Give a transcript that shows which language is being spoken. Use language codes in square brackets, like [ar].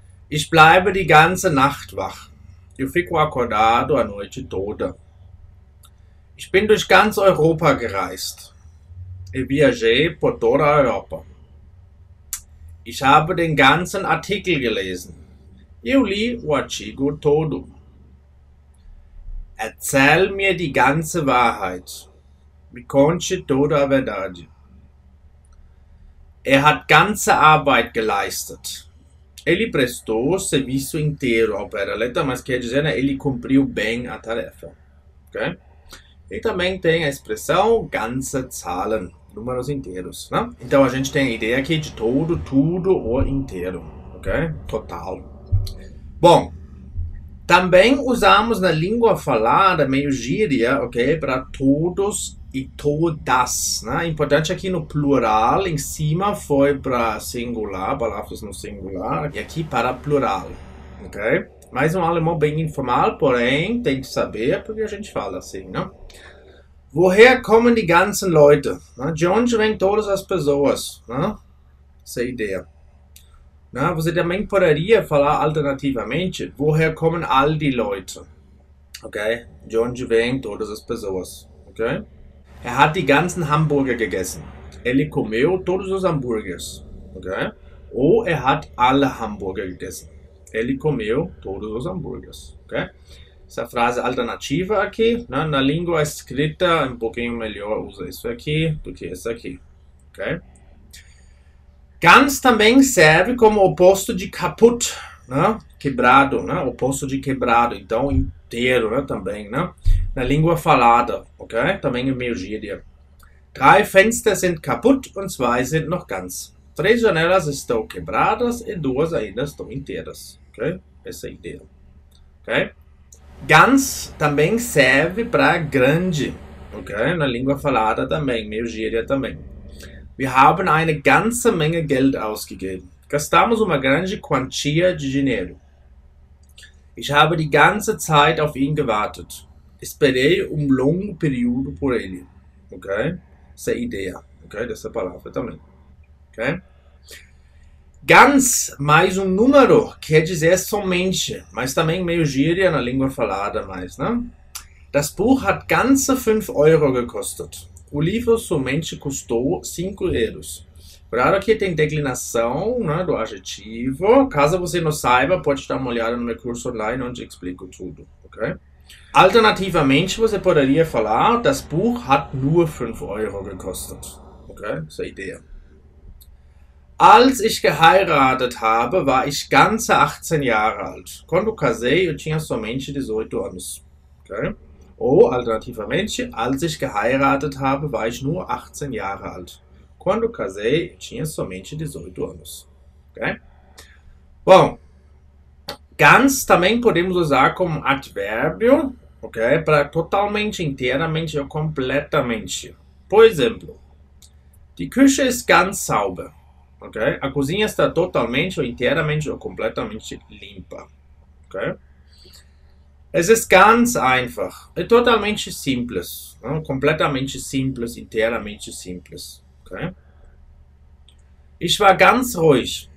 [de] Ich bleibe die ganze Nacht wach. [pt] Eu fico acordado a noite toda. [de] Ich bin durch ganz Europa gereist. [pt] Eu viajei por toda a Europa. [de] Ich habe den ganzen Artikel gelesen. [pt] Eu li o artigo todo. [de] Erzähl mir die ganze Wahrheit. [pt] Me conte toda a verdade. [de] Er hat ganze Arbeit geleistet. [pt] Ele prestou serviço inteiro ao pé da letra, mas quer dizer, né, ele cumpriu bem a tarefa. Okay? E também tem a expressão [de] ganze Zahlen, [pt] números inteiros. Né? Então a gente tem a ideia aqui de todo, tudo ou inteiro. Okay? Total. Bom, também usamos na língua falada, meio gíria, okay, para todos e todas, né? Importante aqui no plural, em cima foi para singular, palavras no singular, e aqui para plural, ok? Mais um alemão bem informal, porém, tem que saber porque a gente fala assim, né? [de] Woher kommen die ganzen Leute? [pt] De onde vêm todas as pessoas? Né? Essa ideia. Né? Você também poderia falar alternativamente, [de] woher kommen all die Leute? [pt] Ok? De onde vêm todas as pessoas? Ok? [de] Er hat die ganzen Hamburger gegessen. [pt] Ele comeu todos os hambúrgueres. Okay? [de] Ou er hat alle Hamburger gegessen. [pt] Ele comeu todos os hambúrgueres. Okay? Essa frase alternativa aqui, né? Na língua escrita, um pouquinho melhor usa isso aqui do que isso aqui. Okay? Ganz também serve como oposto de kaputt, né? Quebrado, né? Oposto de quebrado. Então, inteiro, né? Também, né? Na língua falada, ok? Também é meio gíria. [de] Drei Fenster sind kaputt und zwei sind noch ganz. [pt] Três janelas estão quebradas e duas ainda estão inteiras. Ok? Essa é a ideia. Ok? Ganz também serve para grande. Ok? Na língua falada também, meio gíria também. [de] Wir haben eine ganze Menge Geld ausgegeben. [pt] Gastamos uma grande quantia de dinheiro. [de] Ich habe die ganze Zeit auf ihn gewartet. [pt] Esperei longo período por ele. Ok? Essa ideia. Ok? Dessa palavra também. Ok? Ganz, mais número, quer dizer somente. Mas também meio gíria na língua falada mais, né? [de] Das Buch hat ganze 5 Euro gekostet. [pt] O livro somente custou 5 euros. Claro que tem declinação, né, do adjetivo. Caso você não saiba, pode dar uma olhada no meu curso online onde explico tudo. Ok? Alternativamente, você poderia falar, [de] das Buch hat nur 5 Euro gekostet. [pt] Okay, essa ideia. [de] Als ich geheiratet habe, war ich ganze 18 Jahre alt. [pt] Quando casei, eu tinha somente 18 anos. Okay? Ou, alternativamente, [de] als ich geheiratet habe, war ich nur 18 Jahre alt. [pt] Quando casei, eu tinha somente 18 anos. Okay? Bom, ganz também podemos usar como advérbio, ok? Para totalmente, inteiramente ou completamente. Por exemplo, [de] die Küche ist ganz sauber. Ok? [pt] A cozinha está totalmente ou inteiramente ou completamente limpa. [de] Ok? Es ist ganz einfach. [pt] É totalmente simples. Não? Completamente simples, inteiramente simples. Ok? [de] Ich war ganz ruhig.